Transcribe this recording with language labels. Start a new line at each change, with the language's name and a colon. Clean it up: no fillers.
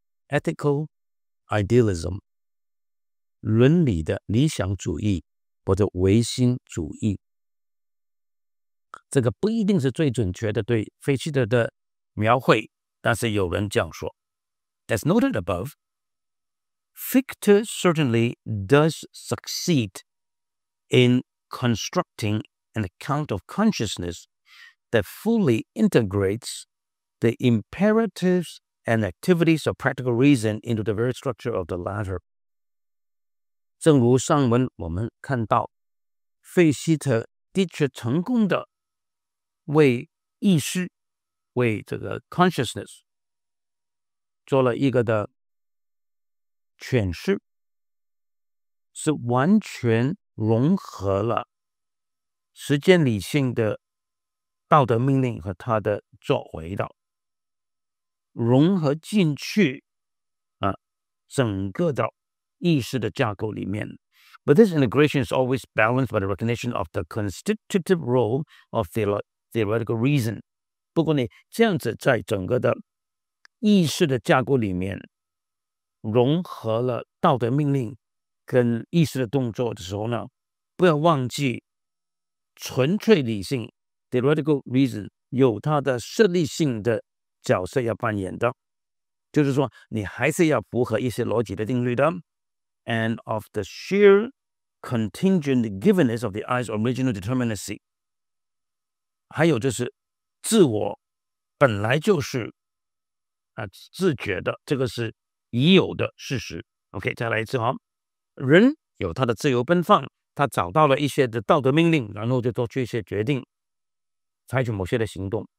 English: Ethical idealism
Chinese: 伦理的理想主义或者唯心主义，这个不一定是最准确的对菲希特的描绘，但是有人这样说。
English: As noted above, Fichte certainly does succeed in constructing an account of consciousness that fully integrates the imperatives and activities of practical reason into the very structure of the latter.
Chinese: 正如上文我们看到，费希特的确成功的为意识，为这个 consciousness 做了一个的诠释，是完全融合了时间理性的道德命令和他的作为的，融合进去啊，整个的意识的架构里面。
English: But this integration is always balanced by the recognition of the constitutive role of theoretical reason.
Chinese: 不过呢，这样子在整个的意识的架构里面融合了道德命令跟意识的动作的时候呢，不要忘记纯粹理性 theoretical reason 有它的设立性的角色要扮演的，就是说你还是要符合一些逻辑的定律的。
English: And of the sheer contingent givenness of the I's original determinacy.
Chinese: 还有就是自我本来就是自觉的，这个是已有的事实。 OK, 再来一次哦。人有他的自由奔放，他找到了一些的道德命令，然后就做出一些决定，采取某些的行动。